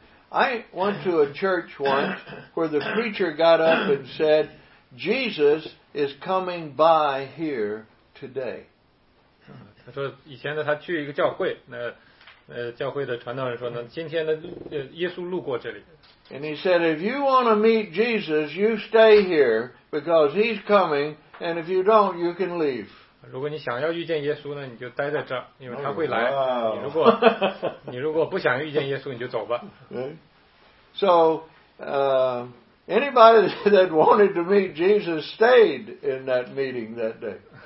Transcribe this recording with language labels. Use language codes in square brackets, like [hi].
[en] I went to a church once where the preacher got up and said, Jesus is coming by here today. [zh] 他说以前他去一个教会，那教会的传道人说呢，今天呢，耶稣路过这里。 [en] And he said, if you want to meet Jesus, you stay here because he's coming, and if you don't, you can leave. [zh] 如果你想要遇见耶稣呢，你就待在这儿，因为他会来。 [en] Oh, wow. [zh] 你如果不想遇见耶稣，你就走吧。 [en] So, anybody that wanted to meet Jesus stayed in that meeting that day.